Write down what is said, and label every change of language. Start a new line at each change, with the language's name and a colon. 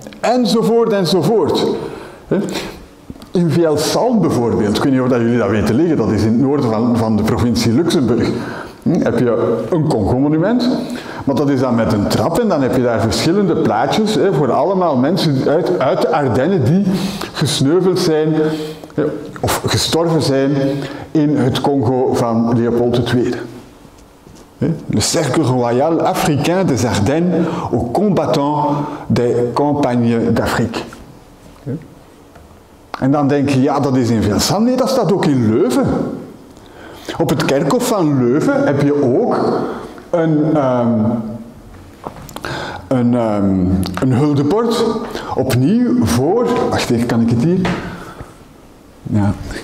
Dutch: Enzovoort enzovoort. Hè. In Vialsalm bijvoorbeeld, ik weet niet of jullie dat weten liggen, dat is in het noorden van de provincie Luxemburg, heb je een Congo-monument, maar dat is dan met een trap en dan heb je daar verschillende plaatjes voor allemaal mensen uit de Ardennen die gesneuveld zijn of gestorven zijn in het Congo van Leopold II.
French: Le Cercle Royal Africain des Ardennes aux combattants des campagnes d'Afrique.
Dutch: En dan denk je, ja, dat is in Vilsand. Nee, dat staat ook in Leuven. Op het kerkhof van Leuven heb je ook een huldebord. Opnieuw voor. Wacht even, kan ik het hier? Ja.